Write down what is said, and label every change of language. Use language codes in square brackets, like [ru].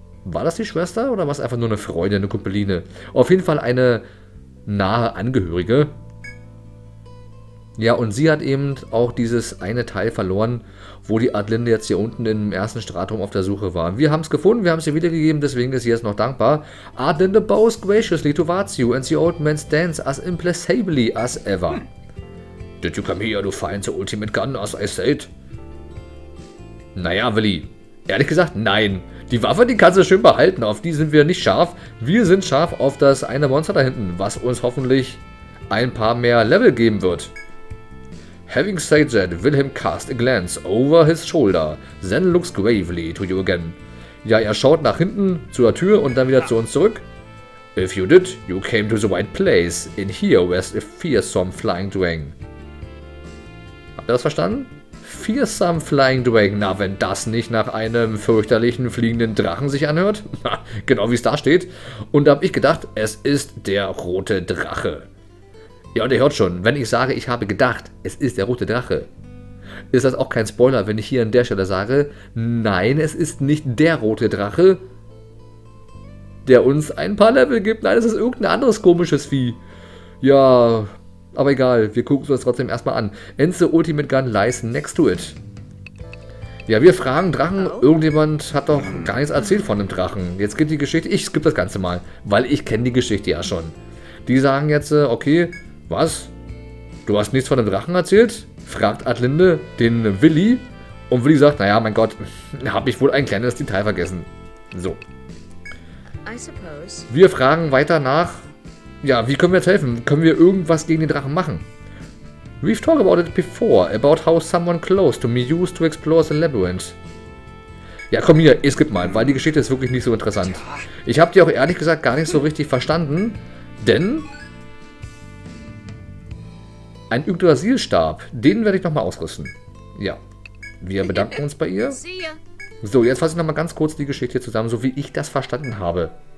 [de] War das die Schwester oder war es einfach nur eine Freundin, eine Kumpeline? Auf jeden Fall eine nahe Angehörige. Ja, und sie hat eben auch dieses eine Teil verloren, wo die Adlinde jetzt hier unten im ersten Stratum auf der Suche war. Wir haben es gefunden, wir haben es ihr wiedergegeben, deswegen ist sie jetzt noch dankbar. [en] Adlinde bows graciously to Vatsiu and the old man stands as implacably as ever. Did you come here to find the ultimate gun, as I said? [de] Naja, Willi, ehrlich gesagt, nein. Die Waffe, die kannst du schön behalten, auf die sind wir nicht scharf. Wir sind scharf auf das eine Monster da hinten, was uns hoffentlich ein paar mehr Level geben wird. [en] Having said that, Wilhelm cast a glance over his shoulder, then looks gravely to you again. [de] Ja, er schaut nach hinten zu der Tür und dann wieder zu uns zurück. [en] If you did, you came to the right place. In here was a fearsome flying dwang. [de] Habt ihr das verstanden? [en] Fearsome Flying Dragon. [de] Na, wenn das nicht nach einem fürchterlichen fliegenden Drachen sich anhört. Genau wie es da steht. Und da habe ich gedacht, es ist der rote Drache. Ja, und ihr hört schon, wenn ich sage, ich habe gedacht, es ist der rote Drache, ist das auch kein Spoiler, wenn ich hier an der Stelle sage, nein, es ist nicht der rote Drache, der uns ein paar Level gibt. Nein, es ist irgendein anderes komisches Vieh. Ja. Aber egal, wir gucken uns das trotzdem erstmal an. [en] And the ultimate gun lies next to it. [de] Ja, wir fragen Drachen. Irgendjemand hat doch gar nichts erzählt von dem Drachen. Jetzt geht die Geschichte. Ich skippe das Ganze mal, weil ich kenne die Geschichte ja schon. Die sagen jetzt, okay, was? Du hast nichts von dem Drachen erzählt? Fragt Adlinde den Willi. Und Willi sagt, naja, mein Gott, habe ich wohl ein kleines Detail vergessen. So. Wir fragen weiter nach. Ja, wie können wir jetzt helfen? Können wir irgendwas gegen den Drachen machen? [en] We've talked about it before, about how someone close to me used to explore the labyrinth. [de] Ja, komm hier, ich skipp mal, weil die Geschichte ist wirklich nicht so interessant. Ich habe die auch ehrlich gesagt gar nicht so richtig verstanden, denn ein Yggdrasil-Stab, den werde ich nochmal ausrüsten. Ja, wir bedanken uns bei ihr. So, jetzt fasse ich nochmal ganz kurz die Geschichte zusammen, so wie ich das verstanden habe.